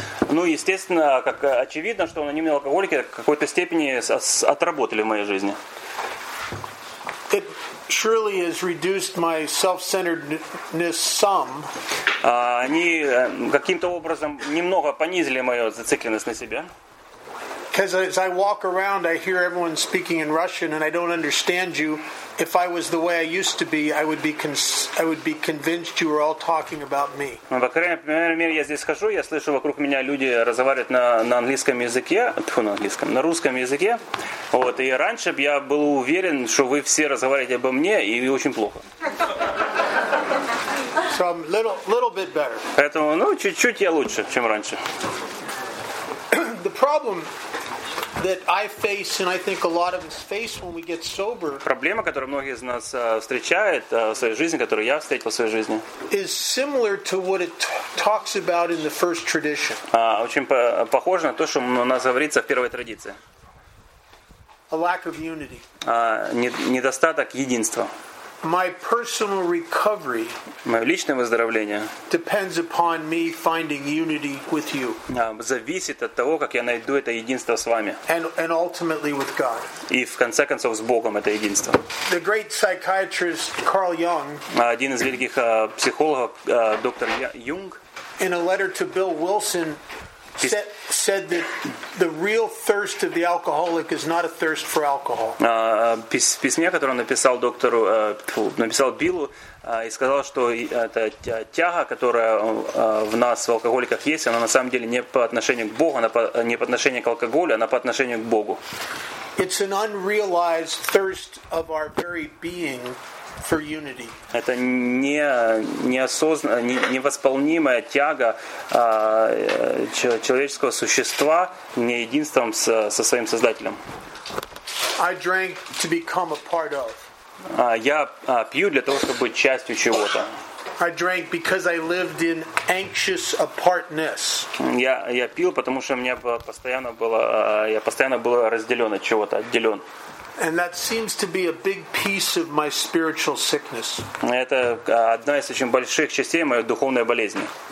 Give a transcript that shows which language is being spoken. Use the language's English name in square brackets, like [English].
[Russian] Ну, естественно, как очевидно, что анонимные алкоголики в какой-то степени отработали в моей жизни. [English] It surely has reduced my self-centeredness some. [Russian] Они каким-то образом немного понизили мою зацикленность на себе. [English] Because as I walk around, I hear everyone speaking in Russian, and I don't understand you. If I was the way I used to be, I would be convinced you were all talking about me. [Russian] Ну, по крайней мере, я здесь хожу, я слышу вокруг меня люди разговаривают на английском языке, на английском, на русском языке. Вот, и раньше я был уверен, что вы все разговариваете обо мне, и очень плохо. [English] So I'm little bit better. [Russian] Поэтому, ну, чуть-чуть я лучше, чем раньше. [English] The problem that I face, and I think a lot of us face when we get sober. [Russian] Проблема, которую многие из нас встречают в своей жизни, которую я встретил в своей жизни. [English] Is similar to what it talks about in the first tradition. [Russian] Очень похоже на то, что у нас говорится в первой традиции. [English] A lack of unity. [Russian] Недостаток единства. [English] My personal recovery. [Russian] Мое личное выздоровление. [English] Depends upon me finding unity with you. [Russian] Зависит от того, как я найду это единство с вами. [English] And ultimately with God. [Russian] И в конце концов с Богом это единство. [English] The great psychiatrist Carl Jung. [Russian] Один из великих психологов доктор Юнг. [English] In a letter to Bill Wilson. Said that the real thirst of the alcoholic is not a thirst for alcohol. [Russian] Письме, которое он написал доктору, написал Биллу, и сказал, что эта тяга, которая в нас, в алкоголиках, есть, она на самом деле не по отношению к Богу, она не по отношению к алкоголю, она по отношению к Богу. [English] It's an unrealized thirst of our very being. For unity. [Russian] Это невосполнимая тяга человеческого существа не единством со своим создателем. [English] I drank to become a part of. [Russian] Я пью для того, чтобы быть частью чего-то. [English] I drank because I lived in anxious apartness. [Russian] Я пил, потому что я постоянно был разделен от чего-то, отделен. [English] And that seems to be a big piece of my spiritual sickness. [Russian] Это одна из очень больших частей моей духовной болезни.